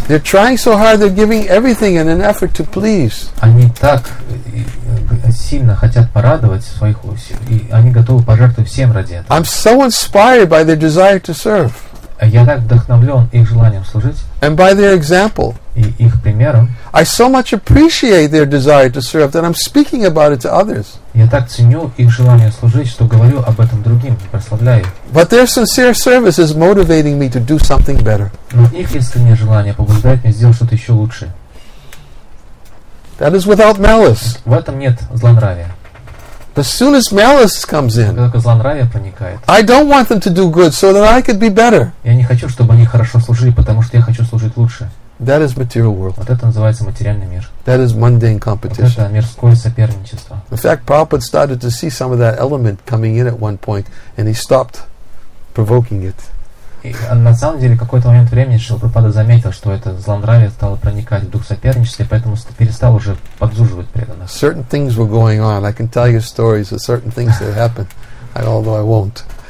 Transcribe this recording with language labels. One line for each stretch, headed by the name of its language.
English: They're trying so hard, they're giving everything in an effort to please.
Russian: Они так сильно хотят порадовать своих усилий, и они готовы пожертвовать всем ради этого.
English: I'm so inspired by their desire to serve.
Russian: Я так вдохновлен их желанием служить.
English: And by their example.
Russian: И их примером.
English: I so much appreciate their desire to serve that I'm speaking about it to others.
Russian: Я так ценю их желание служить, что говорю об этом другим, прославляю.
English: But their sincere service is motivating me to do something better.
Russian: Но их искреннее желание побуждает меня сделать что-то еще лучше.
English: That is without malice.
Russian: В этом нет злонравия.
English: As soon as malice comes in,
Russian: когда злонравие проникает,
English: I don't want them to do good so that I could be better.
Russian: Я не хочу, чтобы они хорошо служили, потому что я хочу служить лучше.
English: That is material world.
Russian: Вот это называется материальный мир.
English: That is mundane competition.
Russian: Вот это мирское соперничество.
English: In fact, Prabhupada started to see some of that element coming in at one point, and he stopped provoking it.
Russian: И на самом деле, в какой-то момент времени Шрила Прабхупада заметил, что это злонравие стало проникать в дух соперничества, и поэтому перестал уже подзуживать преданных.
English: Certain things were going on. I can tell you stories of certain things that happened, although I won't.